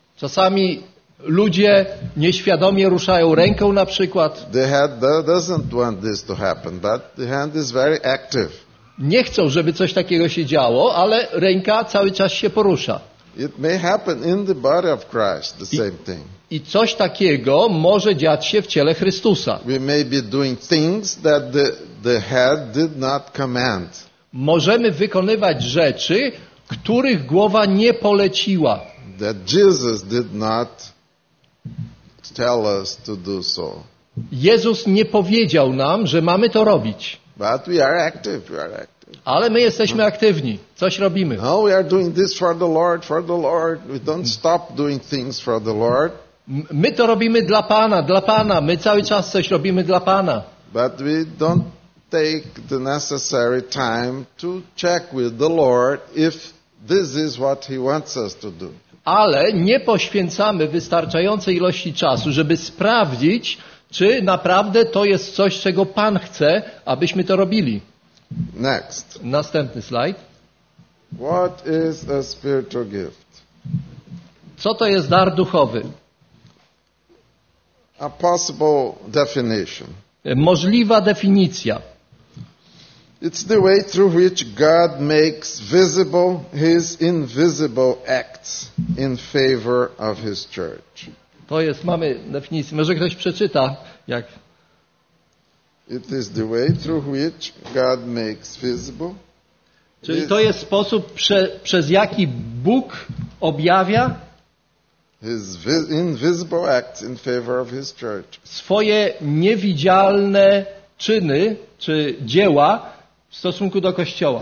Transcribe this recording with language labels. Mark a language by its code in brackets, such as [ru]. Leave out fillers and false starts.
[pl] Czasami ludzie nieświadomie ruszają ręką na przykład. [en] The head doesn't want this to happen, but the hand is very active. [pl] Nie chcą, żeby coś takiego się działo, ale ręka cały czas się porusza. [en] It may happen in the body of Christ, the same thing. [pl] I coś takiego może dziać się w ciele Chrystusa. [en] We may be doing things that the head did not command. [pl] Możemy wykonywać rzeczy, których głowa nie poleciła. [en] That Jesus did not tell us to do so. [pl] Jezus nie powiedział nam, że mamy to robić. [en] But we are active, we are active. [pl] Ale my jesteśmy aktywni. Coś robimy. [en] No, we are doing this for the Lord, for the Lord. We don't stop doing things for the Lord. [pl] My to robimy dla Pana, dla Pana. My cały czas coś robimy dla Pana. [en] But we don't take the necessary time to check with the Lord if this is what he wants us to do. [pl] Ale nie poświęcamy wystarczającej ilości czasu, żeby sprawdzić, czy naprawdę to jest coś, czego Pan chce, abyśmy to robili. [en] Next. [pl] Następny slajd. [en] What is a spiritual gift? [pl] Co to jest dar duchowy? [en] A possible definition. [pl] Możliwa definicja. [en] It's the way through which God makes visible his invisible acts in favor of his church. [pl] To jest, mamy definicję. Może ktoś przeczyta, jak. [en] It is the way through which God makes visible. [pl] Czyli to jest sposób, przez jaki Bóg objawia [en] his invisible act in favor of his church. [pl] Swoje niewidzialne czyny czy dzieła w stosunku do Kościoła.